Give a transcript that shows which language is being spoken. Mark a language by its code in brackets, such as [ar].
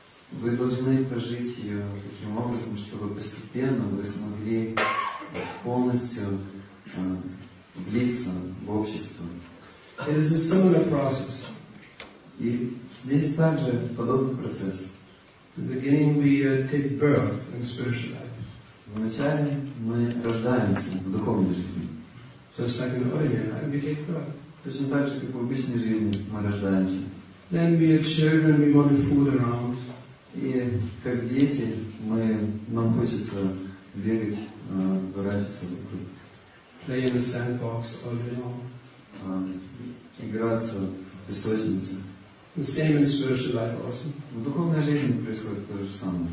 [ru] Вы должны прожить ее таким образом, чтобы постепенно вы смогли полностью влиться в общество. [en] It is a similar process. [ru] И здесь также подобный процесс. [en] In the beginning we take birth in spiritual life. [ru] Вначале мы рождаемся в духовной жизни. [en] Just like in ordinary life, we take birth. [ru] Точно так же, как в обычной жизни мы рождаемся. [en] Then we are children, we want to fool around. [ru] И как дети, нам хочется бегать, ворачиваться вокруг. [en] Play in the sandbox all day long. [ru] Играться в песочнице. [en] The same in spiritual life also. [ru] В духовной жизни происходит то же самое.